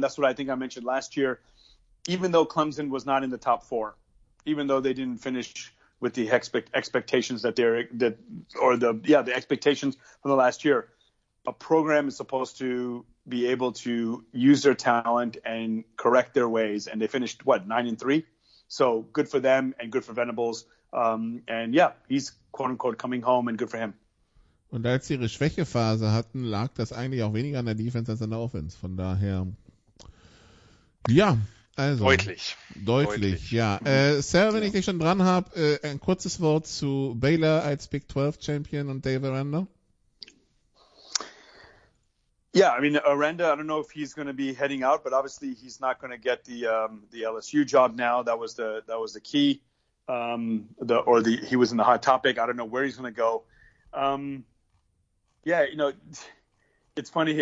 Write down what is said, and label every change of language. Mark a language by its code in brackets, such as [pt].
[en] That's what I think I mentioned last year. Even though Clemson was not in the top four, even though they didn't finish with the expectations that they're – the expectations from the last year, a program is supposed to be able to use their talent and correct their ways. And they finished, what, 9-3? So good for them and good for Venables. And yeah, he's quote unquote coming home and good for him. [de] Und als sie ihre Schwächephase hatten, lag das eigentlich auch weniger an der Defense als an der Offense. Von daher, ja, also. Deutlich. Ja. Sarah, wenn ich dich schon dran habe, ein kurzes Wort zu Baylor als Big 12 Champion und Dave Aranda. [en] Yeah, I mean, Aranda, I don't know if he's going to be heading out, but obviously he's not going to get the LSU job now. That was the key. He was in the hot topic. I don't know where he's going to go. Yeah, you know, it's funny.